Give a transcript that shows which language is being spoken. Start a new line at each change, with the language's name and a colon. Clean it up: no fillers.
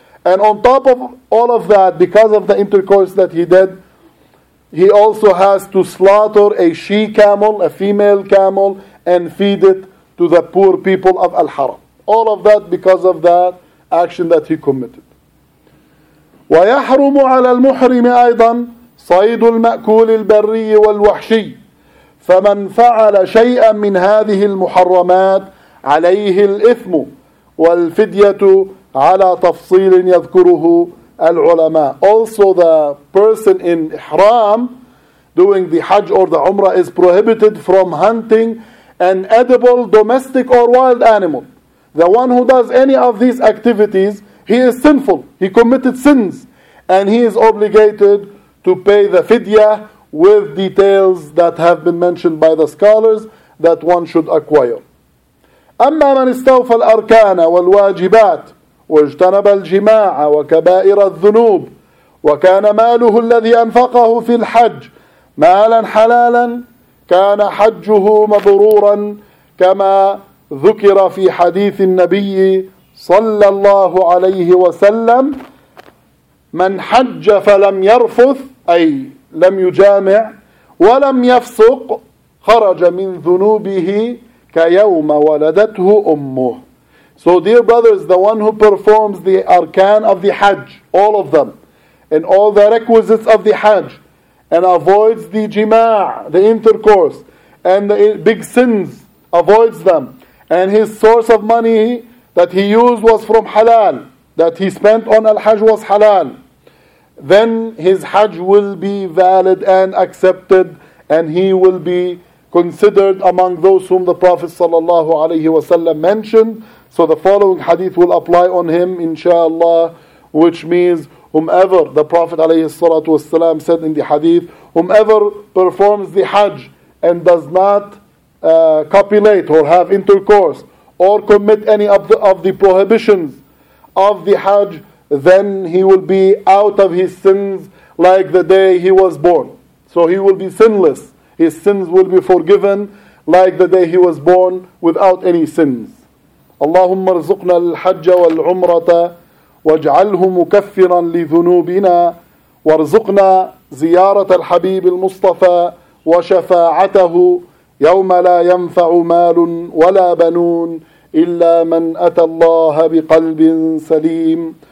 English: And on top of all of that, because of the intercourse that he did, he also has to slaughter a she-camel, a female camel, and feed it to the poor people of Al-Haram. All of that because of that action that he committed.
Arabic: وَيَحْرُمُ عَلَى الْمُحْرِمِ أَيْضًا صيد المأكول البري والوحشي، فمن فعل شيئا من هذه المحرمات عليه الإثم والفدية على تفصيل يذكره العلماء.
English: Also the person in ihram doing the hajj or the umrah is prohibited from hunting an edible domestic or wild animal. The one who does any of these activities, he is sinful. He committed sins. And he is obligated to pay the fidya with details that have been mentioned by the scholars that one should acquire.
Arabic: أما من استوفى الأركان والواجبات واجتنب الجماع وكبائر الذنوب وكان ماله الذي أنفقه في الحج مالا حلالا كان حجه مبرورا كما ذكر في حديث النبي صلى الله عليه وسلم من حج فلم يرفث أي لم يجامع ولم يفسق خرج من ذنوبه كيوم ولدته أمه.
English: So dear brothers, the one who performs the arkan of the hajj, all of them, and all the requisites of the hajj, and avoids the jima', the intercourse, and the big sins, avoids them, and his source of money that he used was from halal, that he spent on al-hajj was halal, then his hajj will be valid and accepted, and he will be considered among those whom the Prophet sallallahu alayhi wasallam mentioned. So the following hadith will apply on him, inshallah, which means whomever the Prophet ﷺ said in the hadith, whomever performs the hajj and does not copulate or have intercourse or commit any of the prohibitions of the hajj, then he will be out of his sins like the day he was born. So he will be sinless. His sins will be forgiven like the day he was born without any sins.
Arabic: اللهم ارزقنا الحج والعمرة واجعله مكفرا لذنوبنا وارزقنا زيارة الحبيب المصطفى وشفاعته يوم لا ينفع مال ولا بنون إلا من أتى الله بقلب سليم.